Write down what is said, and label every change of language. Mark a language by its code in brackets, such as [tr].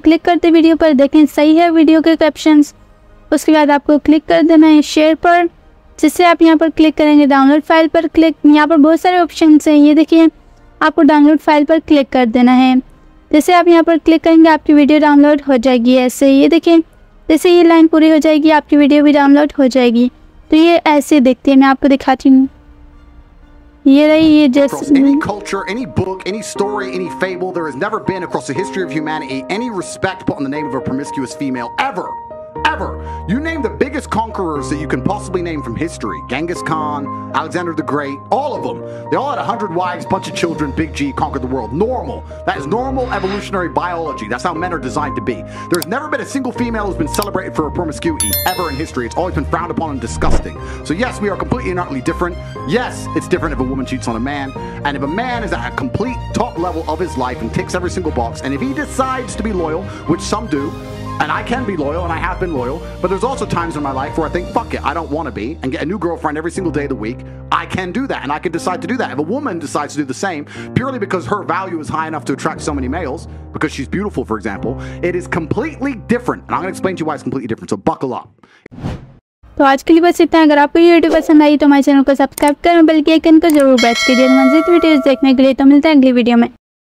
[hi] Click करते video पर देखें सही है वीडियो के कैप्शंस। उसके बाद आपको क्लिक कर देना है शेयर पर, जिससे आप यहाँ पर क्लिक करेंगे डाउनलोड फाइल पर क्लिक। यहाँ पर बहुत सारे ऑप्शन हैं, ये देखिए, आपको डाउनलोड फाइल पर क्लिक कर देना है। जैसे आप यहाँ पर क्लिक करेंगे आपकी वीडियो डाउनलोड हो जाएगी ऐसे। ये देखिए, जैसे ये लाइन पूरी हो जाएगी आपकी वीडियो भी डाउनलोड हो जाएगी। तो ये ऐसे देखते हैं, मैं आपको दिखाती हूँ। ये रही ये [en] any culture, any book, any story, any fable, there has never been across the history of humanity any respect put on the name of a promiscuous female ever. Ever. You name the biggest conquerors that you can possibly name from history. Genghis Khan, Alexander the Great, all of them. They all had 100 wives, bunch of children, big G, conquered the world. Normal. That is normal evolutionary biology. That's how men are designed to be. There's never been a single female who's been celebrated for a promiscuity ever in history. It's always been frowned upon and disgusting. So yes, we are completely and utterly different. Yes, it's different if a woman cheats on a man. And if a man is at a complete top level of his life and ticks every single box, and if he decides to be loyal, which some do, and I can be loyal, and I have been loyal, but there's also times in my life where I think, fuck it, I don't want to be, and get a new girlfriend every single day of the week. I can do that, and I can decide to do that. If a woman decides to do the same, purely because her value is high enough to attract so many males, because she's beautiful, for example, it is completely different. And I'm going to explain to you why it's completely different, so buckle up. [hi] तो आज के लिए बस इतना। अगर आपको ये video पसंद आई तो हमारे चैनल को सब्सक्राइब करें, बेल के आइकन को जरूर प्रेस कीजिए। मज़ेदार वीडियोस देखने के लिए तो मिलते हैं अगली वीडियो में।